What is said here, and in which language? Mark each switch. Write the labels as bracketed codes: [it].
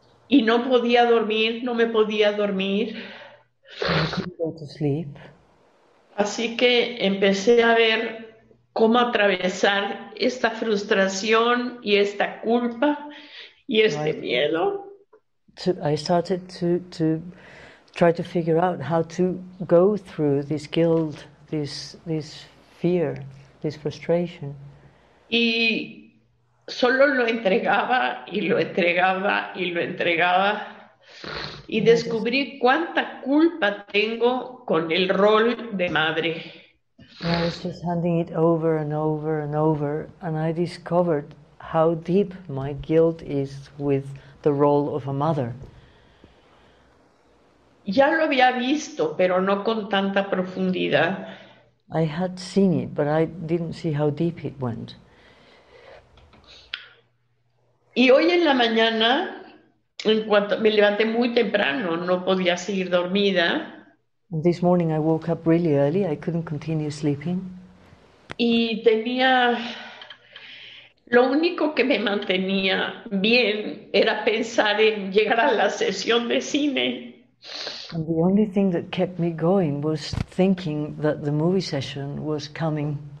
[es] Y no podía dormir, no me podía dormir. [en] And I couldn't go to sleep. [es] Así que empecé a ver cómo atravesar esta frustración y esta culpa y este miedo. [en] I started to try to figure out how to go through this guilt, this fear, this frustration. [es] Y solo lo entregaba y lo entregaba y lo entregaba y [en] And I just [es] descubrí cuánta culpa tengo con el rol de madre. [en] Handing it over and over and over, and I discovered how deep my guilt is with the role of a mother. [es] Ya lo había visto, pero no con tanta profundidad. [en] I had seen it, but I didn't see how deep it went. [es] Y hoy en la mañana, en cuanto me levanté muy temprano, no podía seguir dormida. [en] And this morning I woke up really early. I couldn't continue sleeping. [es] Y tenía, lo único que me mantenía bien era pensar en llegar a la sesión de cine. [en] And the only thing that kept me going was thinking that the movie session was coming.